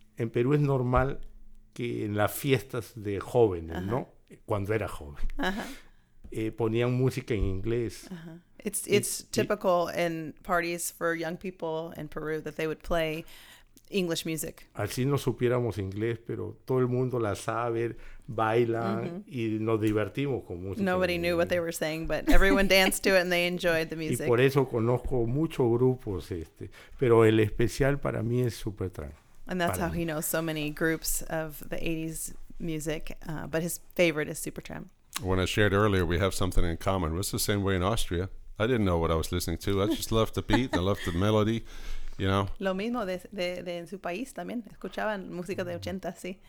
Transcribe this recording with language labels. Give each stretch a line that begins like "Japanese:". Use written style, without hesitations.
Spanish: En Perú es normal que en las fiestas de jóvenes, ajá, ¿no? Cuando era joven, ponían música en inglés. Ajá.
English: It's typical in parties for young people in Peru that they would play English music.
Spanish: Así no supiéramos inglés, pero todo el mundo la sabe, baila, mm-hmm, y nos divertimos con música.
English: Nobody knew what they were saying, but everyone danced to it and they enjoyed the music.
Spanish: Y por eso conozco muchos grupos, este, pero el especial para mí es Supertramp.
English: And that's how he knows so many groups of the 80s music, but his favorite is Supertramp. When I shared earlier, we have something in common. It was the same way in Austria. I didn't know what I was listening to. I just loved the beat and I loved the melody. You know?
Spanish: Lo mismo de en su país también. Escuchaban música de 80, sí.